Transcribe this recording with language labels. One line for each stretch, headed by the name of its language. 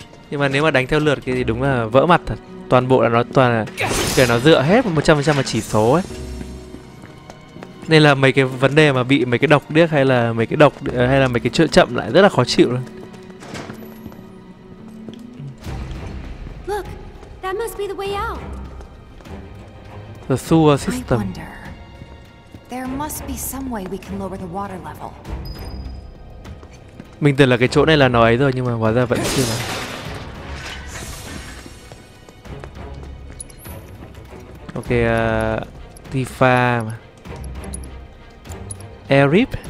Vietnamese: Nhưng mà nếu mà đánh theo lượt thì đúng là vỡ mặt thật. Toàn bộ là nó toàn là kể nó dựa hết 100% vào chỉ số ấy. Nên là mấy cái vấn đề mà bị mấy cái độc điếc hay là mấy cái độc hay là mấy cái chữa chậm lại rất là khó chịu luôn.
English: Look, that must be the way out. The sewer system. There must be some way we can lower the water level.
Vietnamese: Mình tưởng là cái chỗ này là nói rồi nhưng mà hóa ra vẫn chưa mà. Ok, Tifa mà.
English: Air rip.